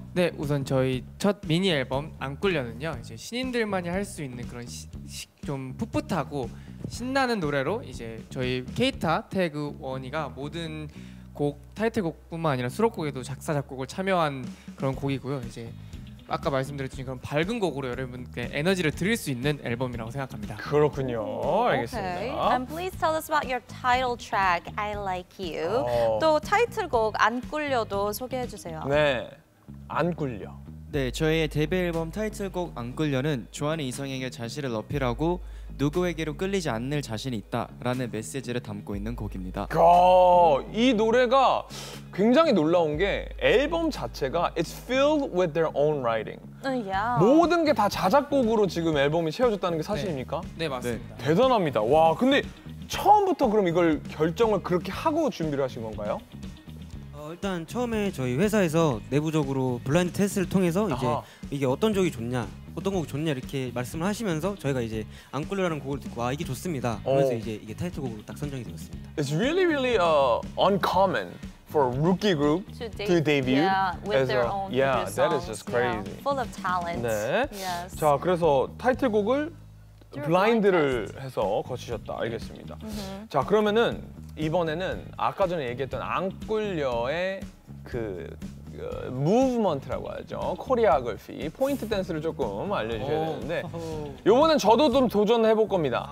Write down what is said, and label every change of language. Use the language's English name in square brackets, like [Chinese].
[Korean] 네, 우선 저희 첫 미니 앨범 안 꿀려는요 이제 신인들만이 할 수 있는 그런 좀 풋풋하고 신나는 노래로 이제 저희 케이타, 태그, 원이가 모든 곡 타이틀곡뿐만 아니라 수록곡에도 작사 작곡을 참여한 그런 곡이고요. 이제 아까 말씀드렸듯이 그런 밝은 곡으로 여러분께 에너지를 드릴 수 있는 앨범이라고 생각합니다. 그렇군요. 알겠습니다. [English] Okay. And please tell us about your title track, I Like You. [Korean] 또 타이틀곡 안 꿀려도 소개해 주세요. 네, 안 꿀려. 네, 저희의 데뷔 앨범 타이틀곡 안 꿀려는 좋아하는 이성에게 자신을 어필하고 누구에게로 끌리지 않을 자신이 있다라는 메시지를 담고 있는 곡입니다. 아, 이 노래가 굉장히 놀라운 게 앨범 자체가 [English] It's filled with their own writing. Yeah. [Korean] 모든 게 다 자작곡으로 지금 앨범이 채워졌다는 게 사실입니까? 네, 네 맞습니다. 네. 대단합니다. 와, 근데 처음부터 그럼 이걸 결정을 그렇게 하고 준비를 하신 건가요? 일단 처음에 저희 회사에서 내부적으로 블라인드 테스트를 통해서 이제 이게 어떤 곡이 좋냐, 어떤 곡이 좋냐 이렇게 말씀을 하시면서 저희가 이제 안 꿀려라는 곡을 듣고 아 이게 좋습니다. 그래서 이제 이게 타이틀곡으로 딱 선정이 되었습니다. [English] It's really really uncommon for a rookie group to debut yeah, with their own songs. Yeah, that is just crazy. Yeah, full of talent. [Korean] 네. [English] Yes. [Korean] 자, 그래서 타이틀곡을 블라인드를 해서 거치셨다. 알겠습니다. 자, 그러면은 이번에는 아까 전에 얘기했던 안 꿀려의 그 무브먼트라고 하죠. 코리아그래피, 포인트 댄스를 조금 알려주셔야 되는데 이번엔 저도 좀 도전해볼 겁니다.